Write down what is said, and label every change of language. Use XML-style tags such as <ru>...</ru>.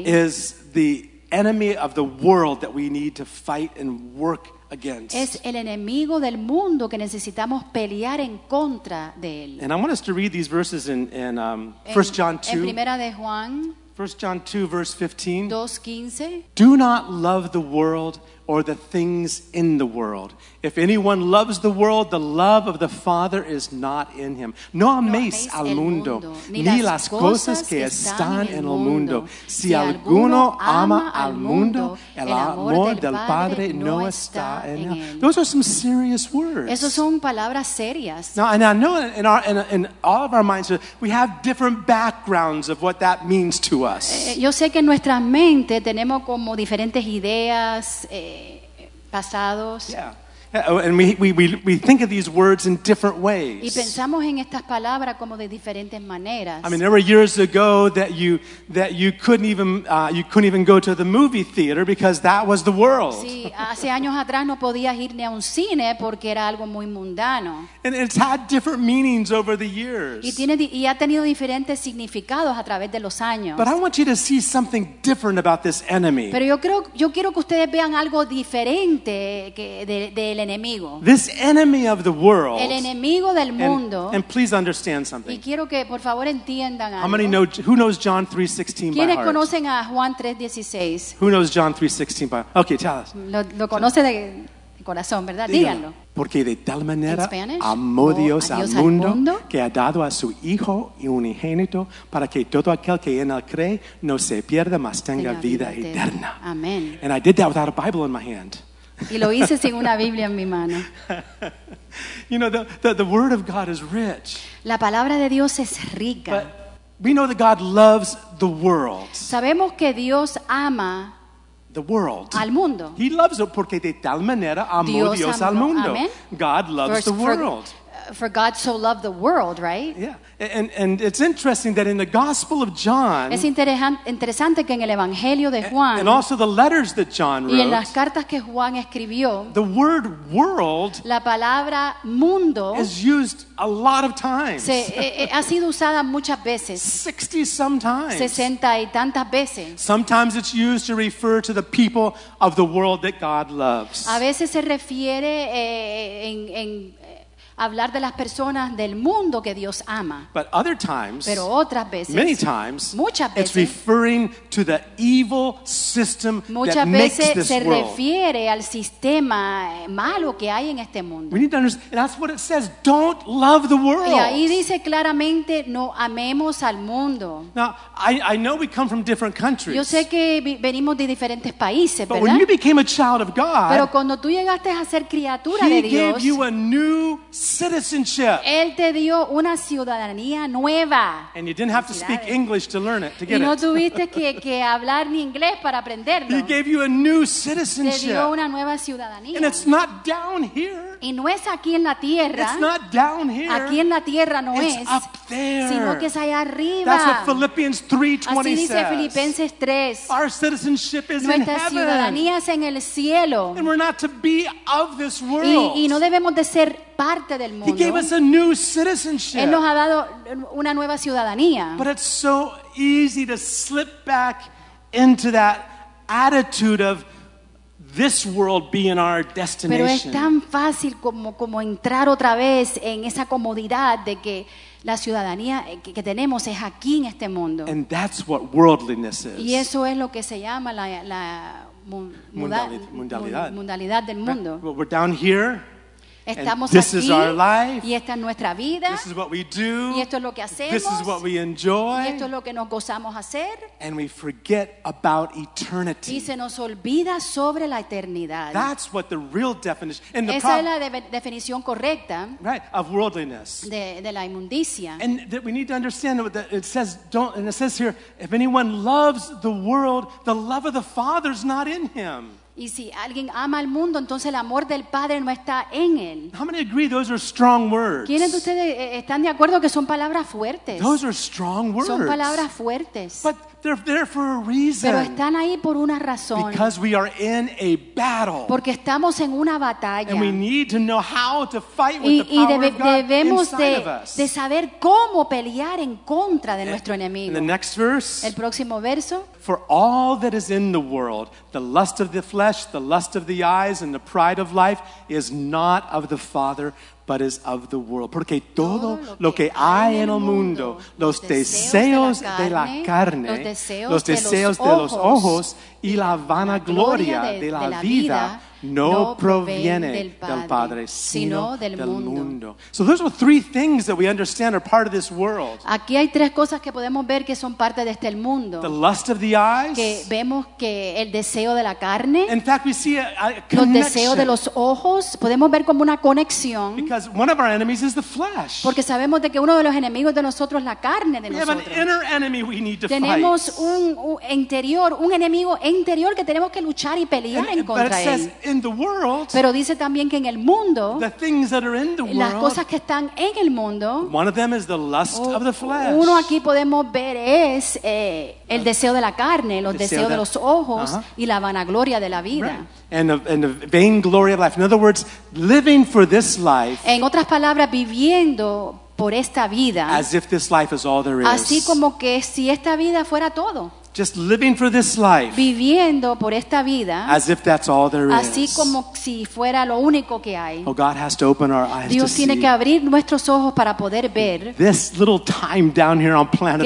<en>is the enemy of the world that we need to fight and work against.</en> <es>Es el enemigo del mundo que necesitamos pelear en contra de él.</es> <en>And I want us to read these verses in 1 John 2.</en> <es>En primera de Juan,</es> <en>1 John 2, verse 15. 2:15. Do not love the world or the things in the world. If anyone loves the world, the love of the Father is not in him.</en> <es>No améis al mundo, ni las cosas que están en el mundo. Si alguno ama al mundo, el amor del Padre no está en él.</es> <en>Those are some serious words.</en> <es>Esos son palabras serias.</es> <en>Now, and I know in all of our minds, we have different backgrounds of what that means to us.</en> <es>Yo sé que en nuestra mente tenemos como diferentes ideas, pasados.</es> <en>Yeah. And we think of these words in different ways.</en> <es>Y pensamos en estas palabras como de diferentes maneras.</es> <en>I mean, there were years ago that you couldn't even go to the movie theater because that was the world.</en> <es>Sí, hace años atrás no podías ir ni a un cine porque era algo muy mundano.</es> <en>And it's had different meanings over the years.</en> <es>Y ha tenido diferentes significados a través de los años.</es> <en>But I want you to see something different about this enemy.</en> <es>Pero yo quiero que ustedes vean algo diferente que de el enemigo.</es> <en>This enemy of the world.</en> <es>El enemigo del mundo.</es> <en>And please understand something.</en> <es>Y quiero que por favor entiendan algo.</es> <en>How many know who knows John 3:16 by heart?</en> <es>¿Quiénes conocen a Juan 3:16?</es> <en>Who knows John 3:16 by heart? Okay, tell us.</en> <es>Lo conoce de corazón, ¿verdad? Díganlo. Porque de tal manera amó Dios al mundo que ha dado a su Hijo unigénito para que todo aquel que en él cree no se pierda, mas tenga vida eterna. Amén.</es> <en>And I did that without a Bible in my hand.</en> <es>Y lo hice sin una Biblia en mi mano.</es> <en>You know, the word of God is rich.</en> <es>La palabra de Dios es rica.</es> <en>But we know that God loves the world.</en> <es>Sabemos que Dios ama</es> <en>the world.</en> <es>Al mundo.</es> <en>He loves it</en> <es>porque de tal manera amó Dios al mundo.</es> <en>Amen. God loves the world. For God so loved the world, right? Yeah. And it's interesting that in the Gospel of John,</en> <es>es interesante que en el Evangelio de Juan,</es> <en>and also the letters that John wrote,</en> <es>y en las cartas que Juan escribió,</es> <en>the word world,</en> <es>la palabra mundo,</es> <en>is used a lot of times.</en> <es>Ha sido usada muchas veces.</es> <en>60 sometimes.</en> <es>60 y tantas veces.</es> <en>Sometimes it's used to refer to the people of the world that God loves.</en> <es>A veces se refiere en hablar de las personas del mundo que Dios ama.</es> <en>But other times,</en> <es>pero otras veces,</es> <en>many times,</en> <es>muchas veces,</es> <en>it's referring to the evil system</en> <es>muchas</es> <en>that</en> <es>veces</es> <en>makes this</en> <es>se</es> <en>world.</en> <es>Refiere al sistema malo que hay en este mundo.</es> <en>We need to understand, that's what it says, don't love the world.</en> <es>Y ahí dice claramente, no amemos al mundo.</es> <en>Now, I know we come from different countries.</en> <es>Yo sé que venimos de diferentes países,</es> <en>but</en> <es>¿verdad?</es> <en>When you became a child of God,</en> <es>pero cuando tú llegaste a ser criatura</es> <en>he</en> <es>de Dios,</es> <en>gave you a new citizenship.</en> <es>Él te dio una ciudadanía nueva.</es> <en>And you didn't have to speak English to learn it, to get</en> <es>y no</es> <en>it.</en> <es>Tuviste que hablar ni inglés para aprenderlo.</es> <en>He gave you a new citizenship.</en> <es>Te dio una nueva ciudadanía.</es> <en>And it's not down here.</en> <es>Y no es aquí en la tierra.</es> <en>It's not down here.</en> <es>Aquí en la tierra no</es> <en>it's</en> <es>es.</es> <en>Up there.</en> <es>Sino que es allá arriba.</es> <en>That's what Philippians 3:20</en> <es>así dice</es> <en>says.</en> <es>Filipenses 3.</es> <en>Our citizenship is</en> <es>nuestra</es> <en>in heaven.</en> <es>Ciudadanía es en el cielo.</es> <en>And we're not to be of this world.</en> <es>Y no debemos de ser parte del mundo.</es> <en>He gave us a new citizenship.</en> <es>Él nos ha dado una nueva ciudadanía.</es> <en>But it's so easy to slip back into that attitude of this world being our destination.</en> <es>Pero es tan fácil como entrar otra vez en esa comodidad de que la ciudadanía que tenemos es aquí en este mundo.</es> <en>And that's what worldliness is.</en> <es>Y eso es lo que se llama la mundialidad del mundo.</es> <en>But we're down here.</en> <es>Estamos</es> <en>and this</en> <es>aquí,</es> <en>is our life.</en> <es>Y esta es nuestra vida.</es> <en>This is what we do.</en> <es>Y esto es lo que hacemos.</es> <en>This is what we enjoy.</en> <es>Y esto es lo que nos gozamos hacer.</es> <en>And we forget about eternity.</en> <es>Y se nos olvida sobre la eternidad.</es> <en>That's what the real definition. And</en> <es>esa</es> <en>the prob-</en> <es>es la definición correcta.</es> <en>Right, of worldliness.</en> <es>De la inmundicia.</es> <en>And that we need to understand that it says don't. And it says here, if anyone loves the world, the love of the Father is not in him.</en> <es>Y si alguien ama al mundo, entonces el amor del Padre no está en él.</es> <en>How many agree those are strong words?</en> <es>¿Quiénes de ustedes están de acuerdo que son palabras fuertes?</es> <en>Those are strong words.</en> <es>Son palabras fuertes.</es> <en>But they're there for a reason.</en> <es>Pero están ahí por una razón.</es> <en>Because we are in a battle.</en> <es>Porque estamos en una batalla.</es> <en>And we need to know how to fight with the power of God inside of us.</en> <es>Y debemos de saber cómo pelear en contra de nuestro enemigo.</es> <en>In the next verse.</en> <es>El próximo verso.</es> <en>For all that is in the world, the lust of the flesh, the lust of the eyes, and the pride of life is not of the Father, but is of the world.</en> <es>Porque todo lo que hay en el mundo, los deseos de la carne, los deseos de los ojos, y la vanagloria de la vida, no proviene del Padre, sino del mundo.</es> <en>So those are three things that we understand are part of this world.</en> <es>Aquí hay tres cosas que podemos ver que son parte de este mundo.</es> <en>The lust of the eyes.</en> <es>Que vemos que el deseo de la carne.</es> <en>In fact, we see a connection.</en> <es>Los deseos de los ojos. Podemos ver como una conexión.</es> <en>Because one of our enemies is the flesh.</en> <es>Porque sabemos de que uno de los enemigos de nosotros es la carne de nosotros.</es> <en>We have an inner enemy we need to fight.</en> <es>Tenemos un enemigo interior que tenemos que luchar y pelear en contra él.</es> <en>In the world,</en> <es>pero dice también que en el mundo</es> <en>the things that are in the</en> <es>las cosas que están en el mundo</es> <en>one of them is the lust of the flesh.</en> <es>Uno aquí podemos ver es el deseo de la carne, los deseos de los ojos y la vanagloria de la vida.</es> <en>Right. And the vain glory of life. In other words, living for this life.</en> <es>En otras palabras, viviendo por esta vida.</es> <en>As if this life is all there is.</en> <es>Así como que si esta vida fuera todo.</es> <en>Just living for this life.</en> <es>Viviendo por esta vida.</es> <en>As if that's all there is.</en> <es>Así como si fuera lo único que hay.</es> <en>Oh, God has to open our eyes</en> <es>Dios tiene</es> <en>to see</en> <es>que abrir nuestros ojos para poder ver.</es> <en>This little time down here on planet</en>